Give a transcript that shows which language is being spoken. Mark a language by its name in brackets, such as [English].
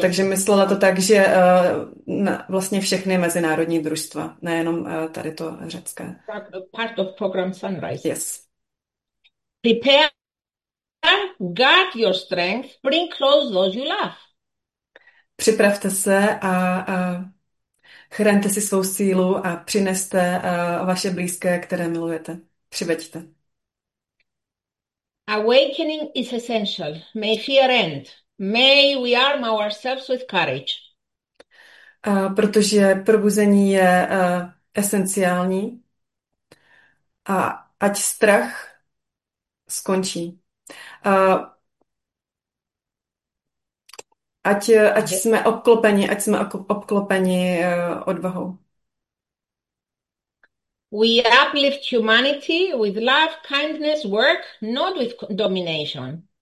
[Czech] takže myslela to tak, že vlastně všechny mezinárodní družstva, nejenom tady to řecké. [English] Part of program Sunrise. Yes. Prepare, guard your strength, bring close those you love. [Czech] Připravte se a chraňte si svou sílu a přineste vaše blízké, které milujete. Přiveďte. [English] Awakening is essential. May fear end. May we arm ourselves with courage. [Czech] Protože probuzení je esenciální a ať strach skončí. Ať jsme obklopeni odvahou. [English] We uplift humanity with love, kindness, work, not with domination.